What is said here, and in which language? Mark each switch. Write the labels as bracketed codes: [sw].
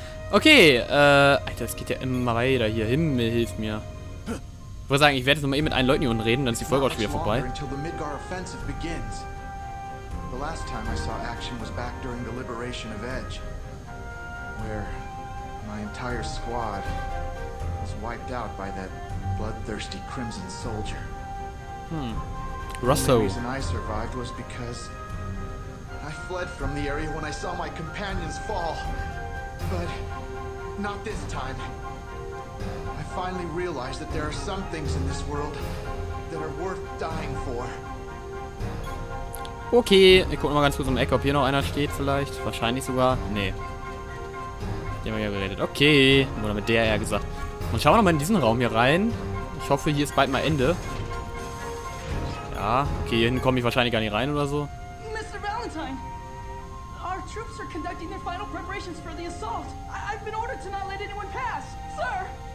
[de] Okay, Alter, es geht ja immer weiter hier. Himmel, hilf mir. Ich würde sagen, ich werde jetzt nochmal eben mit allen Leuten hier unten reden, dann ist die Folge auch schon wieder vorbei. [en] Until the Midgar offensive begins. The last time I saw action was back during the liberation of Edge. Where my entire squad was wiped out by that bloodthirsty crimson soldier. Russo. The reason I survived was because I fled from the area when I saw my companions fall. But not this time. I finally realized that there are some things in this world that are worth dying for. [de] Okay, ich guck mal ganz kurz um die Ecke, ob hier noch einer steht vielleicht. Wahrscheinlich sogar. Nee. Die haben wir ja geredet. Okay. Oder mit der eher gesagt. Und schauen wir nochmal in diesen Raum hier rein. Ich hoffe, hier ist bald mal Ende. Ja, okay, hier hinten komme ich wahrscheinlich gar nicht rein oder so. [en] Mr. Valentine! Our troops are conducting their final preparations for the assault. I've been ordered to not let anyone pass, sir!